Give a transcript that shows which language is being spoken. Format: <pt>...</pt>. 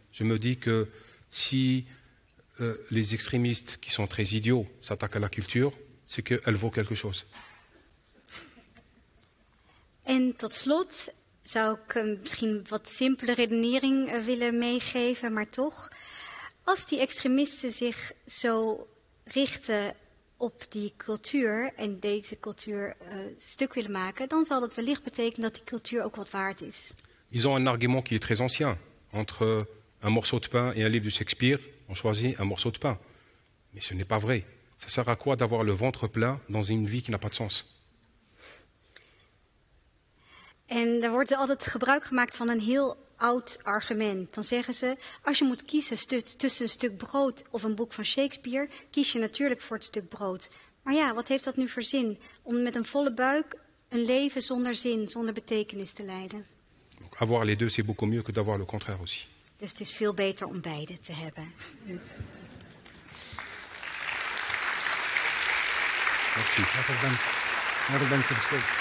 <fr>Je me dis que si les extrémistes qui sont très idiots s'attaquent à la culture, c'est qu'elle vaut quelque chose.</fr> <nl>En tot slot zou ik misschien wat simpele redenering willen meegeven, maar toch. Als die extremisten zich zo richten op die cultuur en deze cultuur stuk willen maken, dan zal dat wellicht betekenen dat die cultuur ook wat waard is.</nl> <fr>Ils ont un argument qui est très ancien. Entre un morceau de pain et un livre de Shakespeare, on choisit un morceau de pain. Mais ce n'est pas vrai. Ça sert à quoi d'avoir le ventre plein dans une vie qui n'a pas de sens?</fr> <nl>En er wordt altijd gebruik gemaakt van een heel oud argument. Dan zeggen ze, als je moet kiezen tussen een stuk brood of een boek van Shakespeare, kies je natuurlijk voor het stuk brood. Maar ja, wat heeft dat nu voor zin? Om met een volle buik een leven zonder zin, zonder betekenis te leiden.</nl> <fr>Donc, avoir les deux, c'est beaucoup mieux que d'avoir le contraire aussi.</fr> <nl>Dus het is veel beter om beide te hebben.</nl> <fr>Merci.</fr> <nl>Hartelijk dank voor de spreek.</nl>